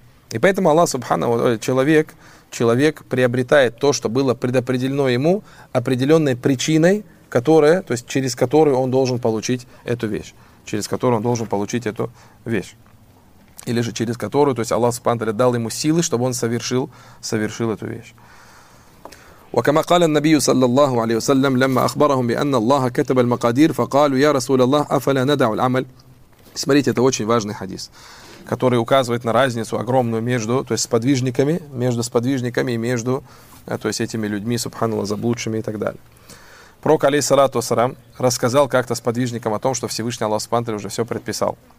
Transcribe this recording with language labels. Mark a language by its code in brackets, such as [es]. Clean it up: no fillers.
[ru] И поэтому Аллах Субхана, человек приобретает то, что было предопределено ему определенной причиной, которая, то есть через которую он должен получить эту вещь. Через которую он должен получить эту вещь. Или же через которую, то есть Аллах Субхана дал ему силы, чтобы он совершил эту вещь. [ar] وكما قال النبي صلى الله عليه وسلم لما أخبرهم بأن الله كتب المقادير فقالوا يا رسول الله أفلا ندع العمل. [ru] Смотрите, это очень важный хадис, который указывает на разницу огромную между, то есть, сподвижниками, между сподвижниками и между, то есть, этими людьми, субханаллах, заблудшими и так далее. Пророк, алейхиссалату вассалям, рассказал как-то сподвижникам о том, что Всевышний Аллах субхана ва тааля уже все предписал.